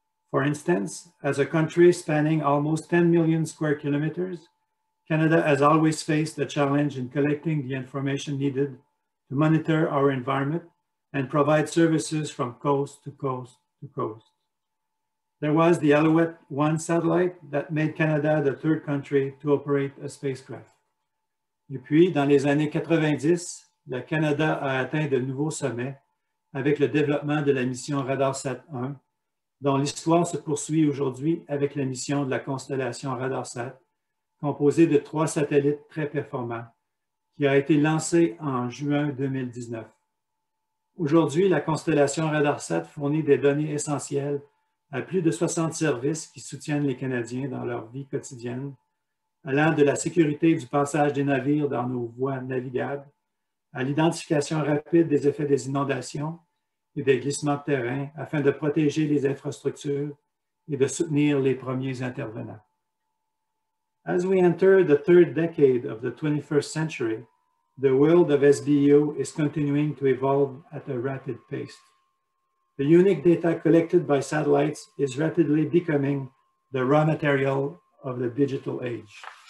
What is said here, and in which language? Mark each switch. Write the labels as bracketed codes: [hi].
[en] For instance, as a country spanning almost 10 million square kilometers, Canada has always faced the challenge in collecting the information needed to monitor our environment and provide services from coast to coast to coast. There was the Alouette 1 satellite that made Canada the third country to operate a spacecraft. [fr] Et puis, dans les années 90, le Canada a atteint de nouveaux sommets avec le développement de la mission Radarsat 1, dont l'histoire se poursuit aujourd'hui avec la mission de la constellation Radarsat, composée de trois satellites très performants, qui a été lancée en juin 2019. Aujourd'hui, la constellation Radarsat fournit des données essentielles à plus de 60 services qui soutiennent les Canadiens dans leur vie quotidienne, allant de la sécurité du passage des navires dans nos voies navigables, à l'identification rapide des effets des inondations, et des glissements de terrain afin de protéger les infrastructures et de soutenir les premiers intervenants. [en] As we enter the third decade of the 21st century, the world of SBEO is continuing to evolve at a rapid pace. The unique data collected by satellites is rapidly becoming the raw material of the digital age.